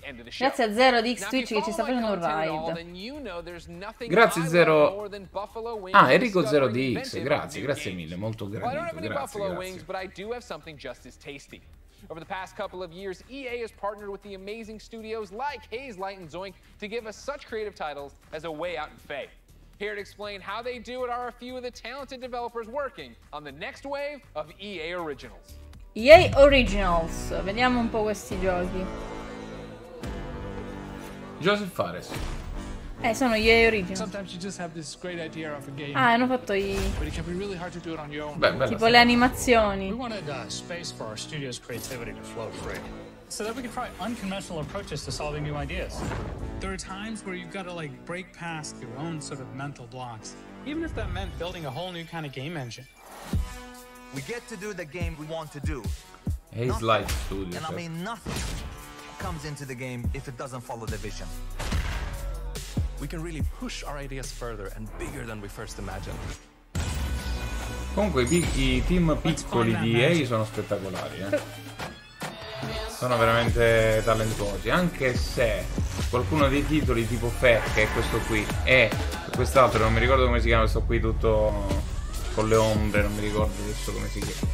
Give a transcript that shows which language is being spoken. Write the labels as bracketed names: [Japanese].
[Italian] Grazie a Zero di X-Twitch che ci sta facendo un ride. Grazie Zero. Ah, Enrico Zero di X, grazie, grazie mille, molto gradito, grazie. [English] Over the past couple of years, EA has partnered with the amazing studios like Haze Light and Zoink to give us such creative titles as A Way Out and Fae. Here to explain how they do it are a few of the talented developers working on the next wave of EA Originals. [Italian] EA Originals. Vediamo un po' questi giochi. Joseph Fares. Sono EA Originals. [English] Sometimes you just have this great idea of a game. [Italian] Hanno fatto i... [English] But it can be really hard to do it on your own. [Italian] Beh, tipo le animazioni. [English] We wanted space for our studio's creativity to flow free. So that we can try unconventional approaches to solving new ideas. There are times where you've got to like break past your own sort of mental blocks. Even if that meant building a whole new kind of game engine. We get to do the game we want to do. Hey, Slide Studio. And I mean nothing comes into the game if it doesn't follow the vision. We can really push our ideas further and bigger than we first imagined. [Italian] Comunque i team piccoli di EA sono spettacolari, eh. Sono veramente talentuosi, anche se qualcuno dei titoli tipo Fer, che è questo qui, e quest'altro non mi ricordo come si chiama, sto qui tutto con le ombre, non mi ricordo adesso come si chiama.